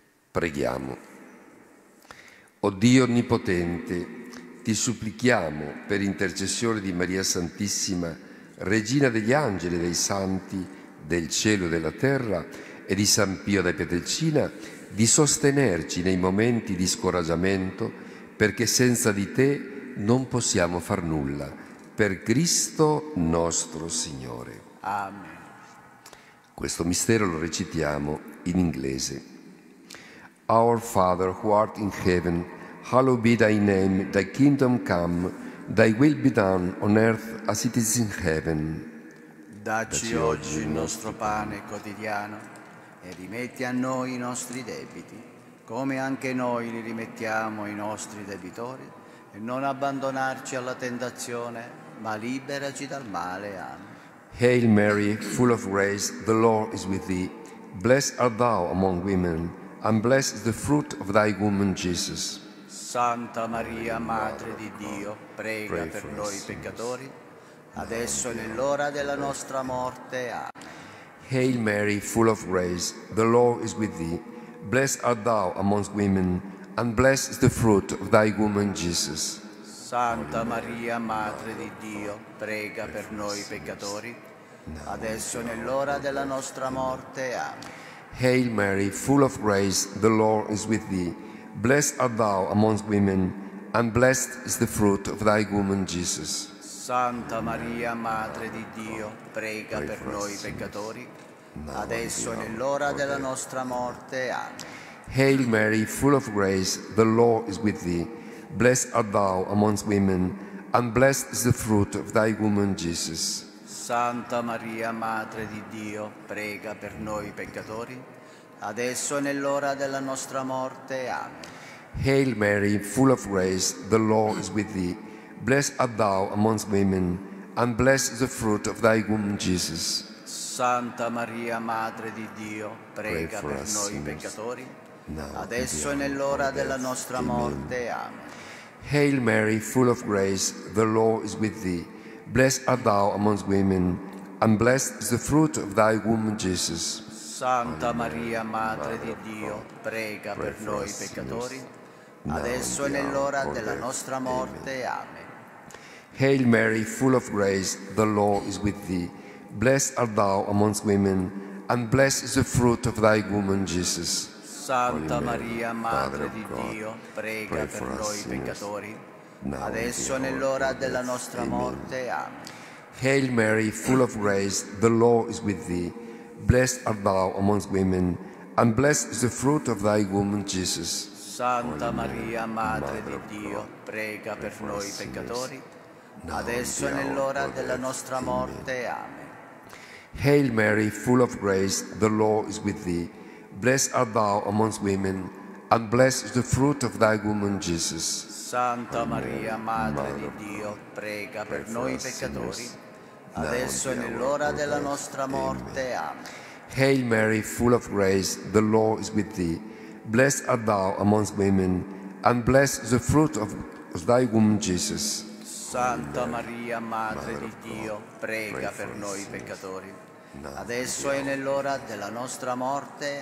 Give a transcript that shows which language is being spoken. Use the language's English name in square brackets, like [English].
[Italian] Preghiamo. O Dio onnipotente, ti supplichiamo per intercessione di Maria Santissima, Regina degli angeli e dei santi, del cielo e della terra e di San Pio da Pietrelcina, di sostenerci nei momenti di scoraggiamento, perché senza di te non possiamo far nulla. Per Cristo nostro Signore. Amen. Questo mistero lo recitiamo in inglese. [English] Our Father who art in heaven, hallowed be thy name, thy kingdom come, thy will be done on earth as it is in heaven. [Italian] Dacci oggi il nostro pane quotidiano e rimetti a noi i nostri debiti, come anche noi li rimettiamo ai nostri debitori, e non abbandonarci alla tentazione, ma liberaci dal male. Amen. [English] Hail Mary, full of grace, the Lord is with thee. Blessed art thou among women, and blessed is the fruit of thy womb, Jesus. [Italian] Santa Maria, Madre di Dio, prega per noi peccatori, adesso è nell'ora della nostra morte. Amen. [English] Hail Mary, full of grace, the Lord is with thee. Blessed art thou amongst women, and blessed is the fruit of thy womb, Jesus. [Italian] Santa Maria, Madre di Dio, prega per noi peccatori, adesso è nell'ora della nostra morte. Amen. [English] Hail Mary, full of grace, the Lord is with thee. Blessed art thou amongst women, and blessed is the fruit of thy womb, Jesus. [Italian] Santa Maria, Madre di Dio, prega per noi peccatori, adesso è nell'ora della nostra morte. Amen. [English] Hail Mary, full of grace, the Lord is with thee. Blessed art thou amongst women, and blessed is the fruit of thy womb, Jesus. [Italian] Santa Maria, Madre di Dio, prega per noi peccatori, adesso è nell'ora della nostra morte. Amen. [English] Hail Mary, full of grace, the Lord is with thee. Blessed art thou amongst women, and blessed is the fruit of thy womb, Jesus. [Italian] Santa Maria, Madre di Dio, prega per noi peccatori, adesso è nell'ora della nostra morte. Amen. [English] Hail Mary, full of grace, the Lord is with thee. Blessed art thou amongst women, and blessed is the fruit of thy womb, Jesus. [Italian] Santa Maria, Madre di Dio, prega per noi peccatori, adesso è nell'ora della nostra morte. Amen. [English] Hail Mary, full of grace, the Lord is with thee. Blessed art thou amongst women, and blessed is the fruit of thy womb, Jesus. [Italian] Santa Maria, Madre di Dio, prega per noi peccatori, adesso nell'ora della nostra morte. Amen. [English] Hail Mary, full of grace, the Lord is with thee. Blessed art thou amongst women, and blessed is the fruit of thy womb, Jesus. [Italian] Santa Maria, Madre di Dio, prega per noi peccatori, adesso nell'ora della nostra morte. Amen. [English] Hail Mary, full of grace, the Lord is with thee. Blessed art thou amongst women, and blessed is the fruit of thy womb, Jesus. [Italian] Santa Maria, Madre di Dio, prega per noi peccatori, adesso è nell'ora della nostra morte. Amen. [English] Hail Mary, full of grace, the Lord is with thee. Blessed art thou amongst women, and blessed is the fruit of thy womb, Jesus. [Italian] Santa Maria, Madre di Dio, prega per noi peccatori, adesso è nell'ora della nostra morte.